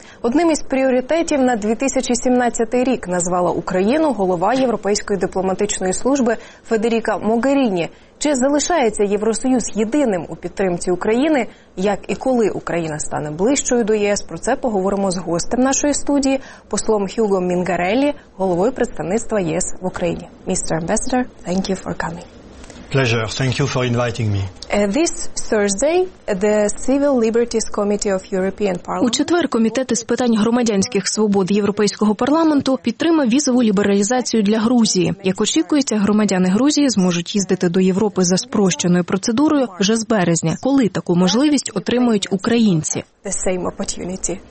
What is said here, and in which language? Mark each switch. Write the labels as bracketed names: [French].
[Ukrainian] Одним із пріоритетів на 2017 рік назвала Україну голова Європейської дипломатичної служби Федеріка Могеріні. Чи залишається Євросоюз єдиним у підтримці України? Як і коли Україна стане ближчою до ЄС? Про це поговоримо з гостем нашої студії, послом Хьюго Мінгареллі, головою представництва ЄС в Україні. [English] Містер Амбасадор, thank you for coming. Pleasure. Thank you for inviting me. This Thursday, the Civil Liberties Committee of European Parliament. [Ukrainian] У четвер комітет з питань громадянських свобод Європейського парламенту підтримав візову лібералізацію для Грузії. Як очікується, громадяни Грузії зможуть їздити до Європи за спрощеною процедурою вже з березня. Коли таку можливість отримають українці? [English] The same opportunity.